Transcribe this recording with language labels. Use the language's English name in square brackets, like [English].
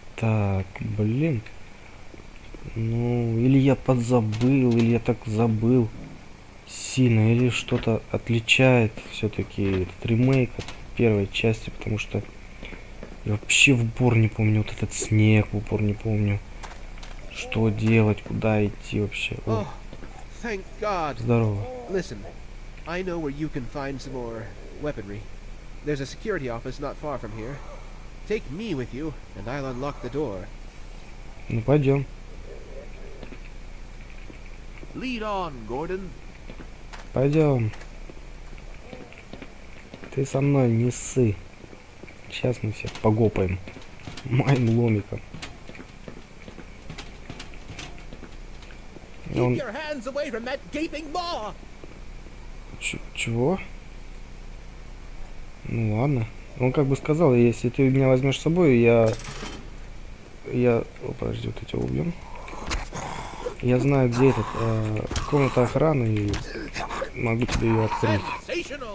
[Russian] Так, блин. Ну, или я подзабыл, или я так забыл сильно, или что-то отличает все-таки этот ремейк от первой части, потому что я вообще в упор не помню, вот этот снег в упор не помню. Что делать, куда идти вообще? О, [English] thank God. [Russian] Здорово. [English] Listen, I know where you can find some more weaponry. There's a security office not far from here. Take me with you, and I'll unlock the door. [Russian] Ну пойдем. [English] Lead on, Gordon. [Russian] Пойдем. ты со мной не ссы. Сейчас мы всех погопаем. Моим ломиком. [English] Keep your hands away from that gaping maw! [Russian] Чего? Ну ладно. Он как бы сказал, если ты меня возьмешь с собой, я... О, подожди, вот эти убьем. Я знаю, где этот... комната охраны, и могу тебе ее открыть.